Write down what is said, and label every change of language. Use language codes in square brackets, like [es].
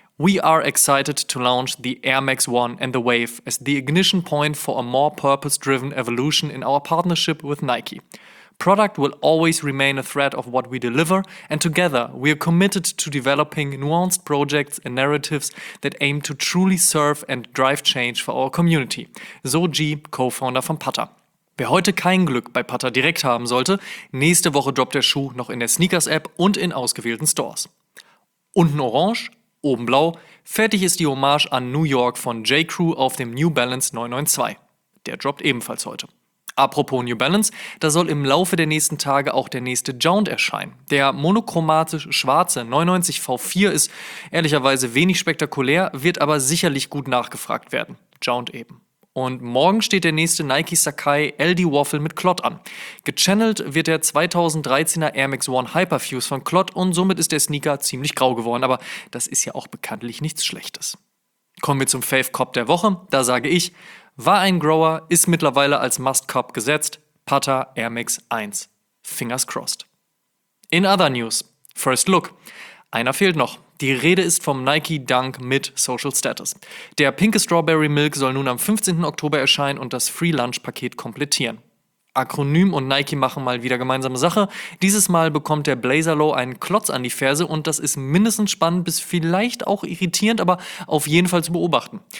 [en] We are excited to launch the Air Max 1 and The Wave as the ignition point for a more purpose-driven evolution in our partnership with Nike. Product will always remain a thread of what we deliver, and together we are committed to developing nuanced projects and narratives that aim to truly serve and drive change for our community. [de] So G, Co-Founder von Putter. Wer heute kein Glück bei Putter direkt haben sollte, nächste Woche droppt der Schuh noch in der Sneakers-App und in ausgewählten Stores. Unten orange, oben blau, fertig ist die Hommage an New York von J.Crew auf dem New Balance 992. Der droppt ebenfalls heute. Apropos New Balance, da soll im Laufe der nächsten Tage auch der nächste Jound erscheinen. Der monochromatisch schwarze 99V4 ist ehrlicherweise wenig spektakulär, wird aber sicherlich gut nachgefragt werden. Jound eben. Und morgen steht der nächste Nike Sakai LD Waffle mit Klott an. Gechannelt wird der 2013er Air Max 1 Hyperfuse von Klott und somit ist der Sneaker ziemlich grau geworden, aber das ist ja auch bekanntlich nichts Schlechtes. Kommen wir zum Fave Cop der Woche. Da sage ich, war ein Grower, ist mittlerweile als Must Cop gesetzt. [en] Putter Air Max 1. Fingers crossed. In other news, first look. [de] Einer fehlt noch. Die Rede ist vom Nike Dunk mit Social Status. Der pinke Strawberry Milk soll nun am 15. Oktober erscheinen und das Free Lunch Paket komplettieren. Akronym und Nike machen mal wieder gemeinsame Sache. Dieses Mal bekommt der Blazer Low einen Klotz an die Ferse und das ist mindestens spannend bis vielleicht auch irritierend, aber auf jeden Fall zu beobachten.